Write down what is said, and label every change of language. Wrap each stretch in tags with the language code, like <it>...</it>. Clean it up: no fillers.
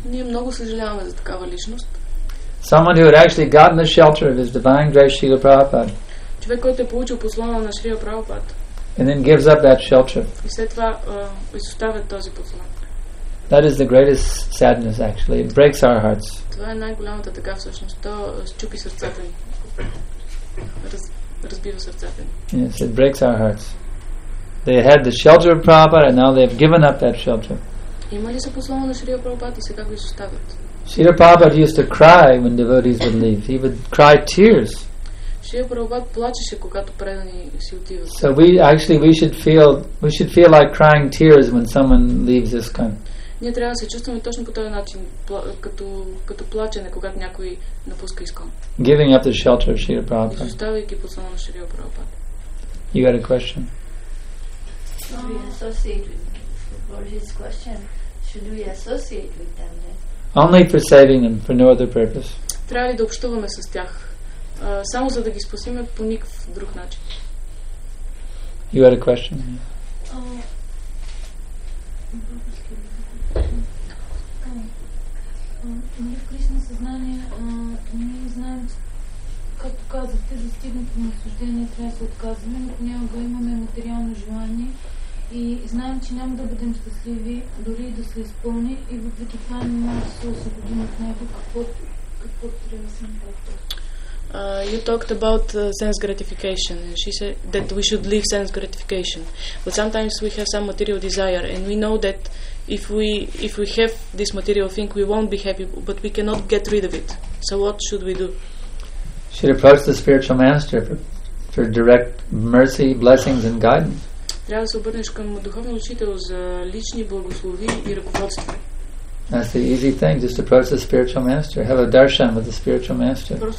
<bg>Ние много съжаляваме за такава личност.</bg> <en>Someone who had actually gotten the shelter of his divine grace Srila Prabhupada.</en> <bg>Човек, който е получил послана на Шрила Прабхупад.</bg> <en>And then gives up that shelter.</en> <bg>И след това изоставя този послан.</bg> <en>That is the greatest sadness actually. It breaks our hearts.</en> <bg>Това е най-голямата тъга всъщност. То счупи сърцата ни. Разбива сърцата ни.</bg> <en>Yes, it breaks our hearts. They had the shelter of Prabhupada and now they have given up that shelter.</en> <bg>Имали са послан на Шрила Прабхупад и сега го изоставят.</bg> <en>Srila Prabhupada used to cry when devotees would leave. He would cry tears.</en> <bg>Srila Prabhupada плачеше, когато предани си отиват.</bg> <en>So we should feel like crying tears when someone leaves this kind.</en> <bg>Ние трябва да се чувстваме точно по този начин, като плачене, когато някой напуска ISKCON.</bg> <en>Giving up the shelter of Srila Prabhupada.</en> <bg>Изоставяйки послана на Srila Prabhupada.</bg> <en>You got a question? Yes, should we associate with them? Only for saving them, for no other purpose.</en> <bg>Трябва ли да общуваме с тях? Само за да ги спасиме по никакъв друг начин.</bg> <en>You had a question? Yeah.</en> <bg>ние в Кришна съзнание ние знаем, както казахте, за стигнато наслаждение трябва да се отказваме, но понякога имаме материално желание и знаем, че няма да бъдем щастливи, дори и да се изпълни, и въпреки това не може да се освободим от него, какво трябва да се направи.</bg> <en>You talked about sense gratification, and she said that we should leave sense gratification. But sometimes we have some material desire, and we know that if we have this material thing, we won't be happy, but we cannot get rid of it. So what should we do? Should approach the spiritual master for direct mercy, blessings, and guidance.</en> <bg>Трябва да се обърнеш към духовния учител за лични благослови и ръководство.</bg> <en>That's the easy thing, just approach the spiritual master. Have a darshan with the spiritual master.</en>